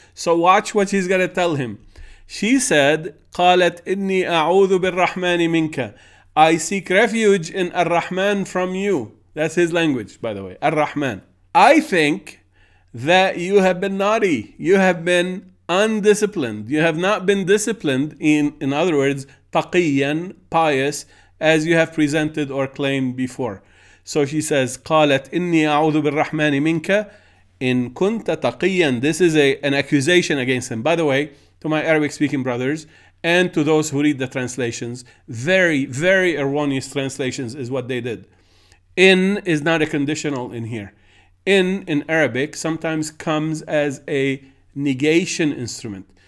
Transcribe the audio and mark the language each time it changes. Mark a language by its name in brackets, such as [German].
[English] So watch what she's going to tell him. She said, [Arabic] قَالَتْ إِنِّي أَعُوذُ بِالرَّحْمَنِ مِنْكَ, [English] I seek refuge in Ar-Rahman from you. That's his language, by the way, Ar-Rahman. I think that you have been naughty. You have been undisciplined. You have not been disciplined, in other words, taqiyan, pious, as you have presented or claimed before. So she says, [Arabic] قَالَتْ إِنِّي أَعُوذُ بِالرَّحْمَنِ مِنْكَ إِن كُنْتَ تَقِيًّا. [English] This is an accusation against him. By the way, to my Arabic-speaking brothers, and to those who read the translations, very, very erroneous translations is what they did. In is not a conditional in here. In Arabic, sometimes comes as a negation instrument.